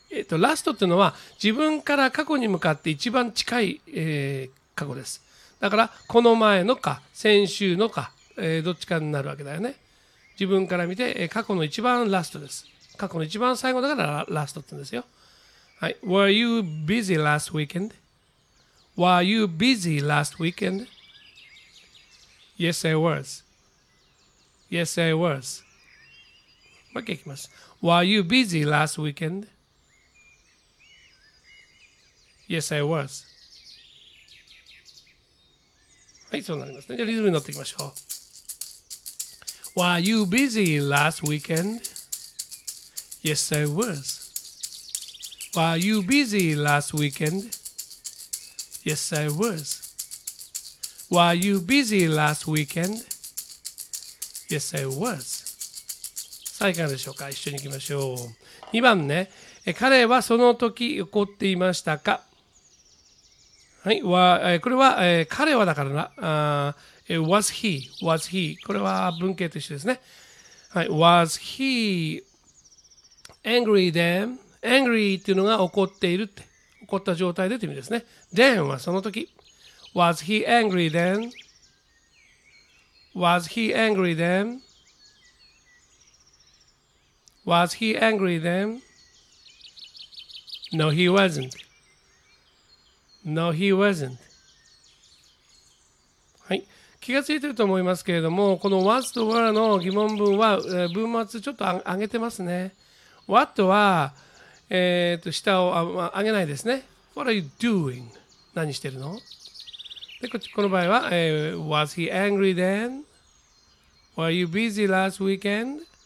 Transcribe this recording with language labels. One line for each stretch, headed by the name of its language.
Japanese: last っていうのは自分から過去に向かって一番近い、過去です。だから、この前のか、先週のか、どっちかになるわけだよね。自分から見て、過去の一番ラストです。過去の一番最後だから ラストって言うんですよ。はい。
English: Were you busy last weekend? Were you busy last weekend? Yes, I was. Yes, I was.
Japanese: もう一回いきます。
English: Were you busy last weekend? Yes, I was.
Japanese: はい、そうなりますね。じゃあリズムに乗っていきましょう。
English: Were you busy last weekend? Yes, I was. Were you busy last weekend? Yes, I was. Were you busy last weekend? Yes, I was.
Japanese: さあ、いかがでしょうか?一緒に行きましょう。2番ね。彼はその時怒っていましたか? はい。これは、彼はだからな。
English: Was he?
Japanese: これは文型と一緒ですね。
English: はい。Was he angry then?
Japanese: Angry っていうのが怒っているって。怒った状態でという意味ですね。Then はその時。
English: Was he angry then? Was he angry then? Was he angry then? No, he wasn't. No, he wasn't.
Japanese: はい。気がついてると思いますけれども、この was と were の疑問文は、文末ちょっと上げてますね。 what は、下を上げないですね。
English: what are you doing?
Japanese: 何してるの？で、この場合は、
English: was he angry then? Were you busy last weekend?